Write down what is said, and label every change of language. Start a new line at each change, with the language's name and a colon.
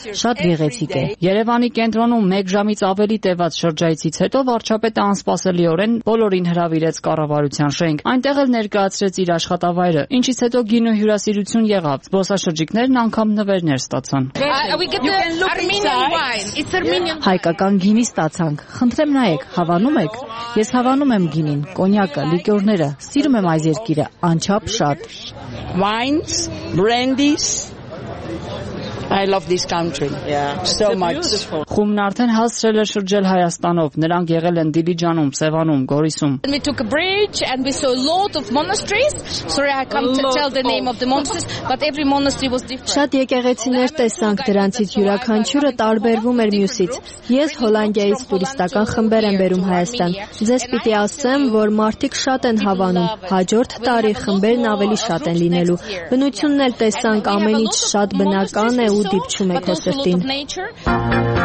Armenian: Շատ գեղեցիկ է։ Երևանի կենտրոնում 1 ժամից ավելի տևած շրջայցից հետո վարչապետը անսպասելիորեն բոլորին հրավիրեց կառավարության շենք։ Այնտեղ էլ ներկայացրեց իր աշխատավայրը, ինչից հետո գինու հյուրասիրություն եղավ։ Զբոսաշրջիկներն անգամ նվերներ ստացան։ Հայկական գինի ստացանք։ Խնդրեմ նայեք, հավանում եք։ Ես հավանում եմ գինին, կոնյակը, լիկյորները, սիրում եմ այս երկիրը անչափ շատ։
English: Wines, brandies. I love this country. Yeah. So much.
Armenian: Խումն արդեն հասցրել է շրջել Հայաստանով։ Նրանք եղել են Դիլիջանում, Սևանում, Գորիսում։
English: We took a bridge and we saw a lot of monasteries. Sorry, I can't tell the name of the monasteries, but every monastery was different.
Armenian: Շատ եկեղեցիներ տեսանք, դրանցից յուրաքանչյուրը տարբերվում էր մյուսից։ Ես Հոլանդիայից տուրիստական խմբեր եմ բերում Հայաստան։ Ձեզ պիտի ասեմ, որ մարդիկ շատ են հավանում։ Հաջորդ տարի խմբերն ավելի շատ են լինելու։ Բնությունն էլ տեսանք, ամենից շատ բնական է ու դիպչում է քո սրտին։